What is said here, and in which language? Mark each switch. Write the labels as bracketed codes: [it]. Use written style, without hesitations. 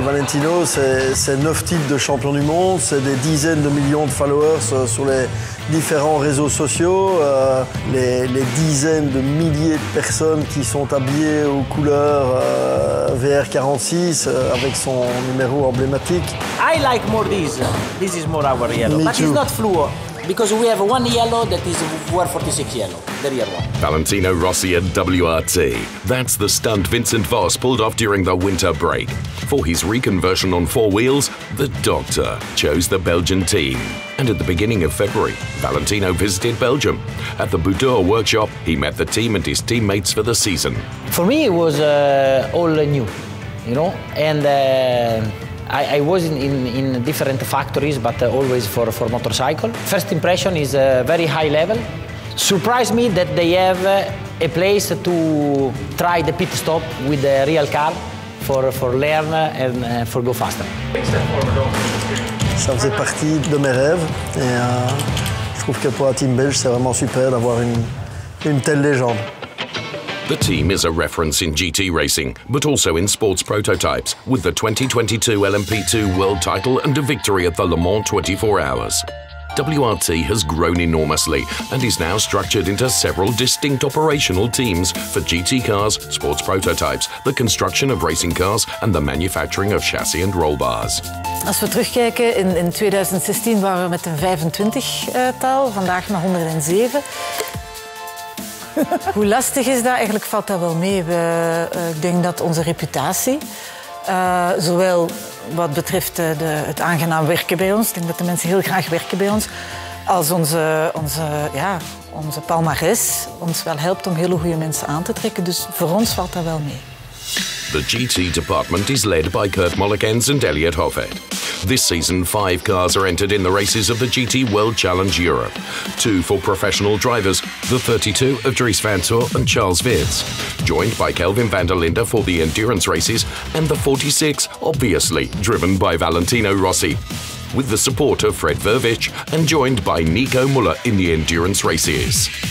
[fr] Valentino, c'est 9 titres de champion du monde, c'est des dizaines de millions de followers sur les différents réseaux sociaux, les dizaines de milliers de personnes qui sont habillées aux couleurs VR46 avec son numéro emblématique. [en] I like more these. This is more our yellow. Me but too. It's not fluo. Because we have one yellow that is WR46 yellow, the real one. Valentino Rossi and WRT. That's the stunt Vincent Voss pulled off during the winter break. For his reconversion on four wheels, the doctor chose the Belgian team. And at the beginning of February, Valentino visited Belgium. At the Boudour workshop, he met the team and his teammates for the season. For me, it was all new, you know? And I was in different factories, but always for motorcycle. First impression is very high level. Surprised me that they have a place to try the pit stop with a real car for learn and for go faster. [fr] Ça faisait partie de mes rêves, et je trouve que pour la team belge, c'est vraiment super d'avoir une telle légende. [en] The team is a reference in GT racing, but also in sports prototypes, with the 2022 LMP2 world title and a victory at the Le Mans 24 Hours. WRT has grown enormously and is now structured into several distinct operational teams for GT cars, sports prototypes, the construction of racing cars and the manufacturing of chassis and roll bars. [nl] Als we terugkijken, in 2016 waren we met een 25-tal, vandaag met 107. Hoe lastig is dat? Eigenlijk valt dat wel mee. Ik denk dat onze reputatie, zowel wat betreft het aangenaam werken bij ons, ik denk dat de mensen heel graag werken bij ons, als onze palmarès ons wel helpt om hele goede mensen aan te trekken. Dus voor ons valt dat wel mee. [en] The GT department is led by Kurt Mollekens and Elliot Hoffet. This season, 5 cars are entered in the races of the GT World Challenge Europe. 2 for professional drivers, the 32 of Dries Van Toor and Charles Wirtz, joined by Kelvin van der Linde for the endurance races, and the 46, obviously, driven by Valentino Rossi, with the support of Fred Vervich and joined by Nico Müller in the endurance races.